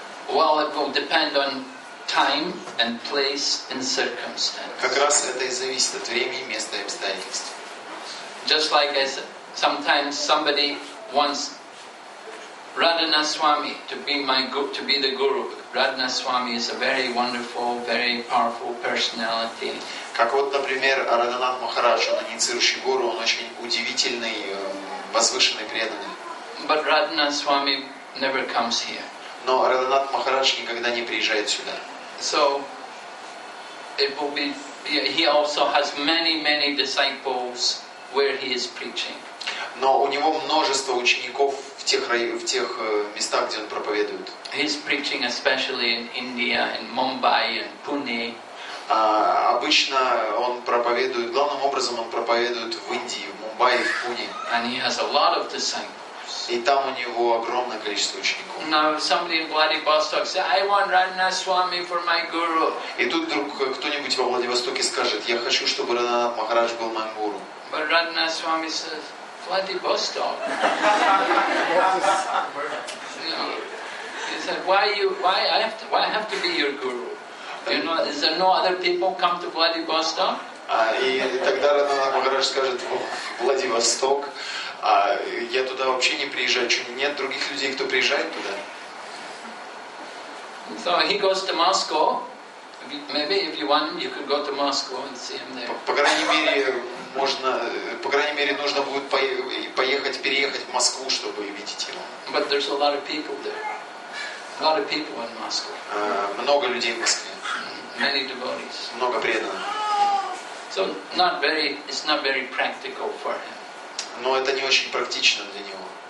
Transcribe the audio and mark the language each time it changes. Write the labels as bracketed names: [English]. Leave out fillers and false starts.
[English] Well, it will depend on time and place and circumstance. [Russian] Как раз это и зависит от времени, места и обстоятельств. [English] Just like as sometimes somebody wants Radhana Swami to be the guru. Radhana Swami is a very wonderful, very powerful personality. [Russian] Как вот, например, Радханат Махарадж, он инициирующий гуру, он очень удивительный, возвышенный, преданный. [English] But Radhana Swami never comes here. [Russian] Но Радханат Махарадж никогда не приезжает сюда. [English] So it will be. He also has many, many disciples where he is preaching. [Russian] Но у него множество учеников в тех местах, где он проповедует. [English] He's preaching especially in India, in Mumbai, in Pune. [Russian] Обычно он проповедует, главным образом он проповедует в Индии, в Мумбаи, в Пуне. [English] And he has a lot of disciples. [Russian] И там у него огромное количество учеников. [English] Now somebody in Vladivostok says, I want Radhana Swami for my guru. [Russian] И тут вдруг кто-нибудь во Владивостоке скажет, я хочу, чтобы Радхана Махарадж был моим гуру. [English] But Radhana Swami says, Vladivostok. You know, he said, why I have to be your guru? You know, is there no other people come to Vladivostok? [Russian] И тогда Радхана Махарадж скажет, Владивосток, А я туда вообще не приезжаю. Что, нет других людей, кто приезжает туда? [English] So he goes to Moscow. Maybe if you want, you could go to Moscow and see him there. [Russian] По крайней мере, можно, по крайней мере, нужно будет поехать, переехать в Москву, чтобы видеть его. [English] But there's a lot of people there. A lot of people in Moscow. [Russian] Много людей в Москве. [English] Many devotees. [Russian] Много преданных. [English] So not very, it's not very practical for him. [Russian] Но это не очень практично для него.